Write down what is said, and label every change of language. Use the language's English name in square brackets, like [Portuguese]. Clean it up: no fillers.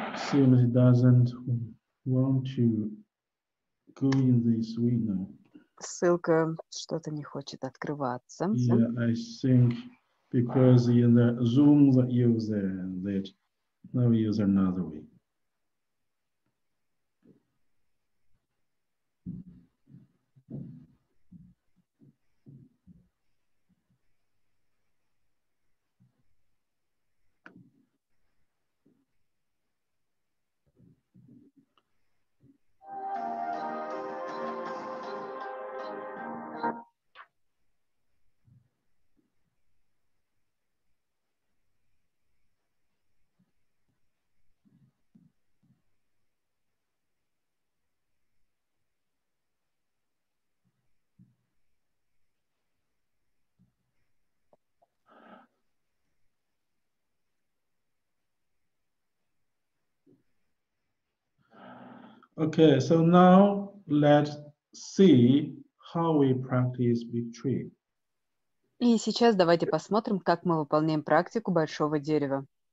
[English] Seems it doesn't want to go in this window. [Russian] Ссылка что-то не хочет открываться. [English] Yeah, I think because in the Zoom that you use that. Now we use another way. Okay, so now let's see how we practice big tree. [Russian] И сейчас давайте посмотрим, как мы выполняем практику большого дерева.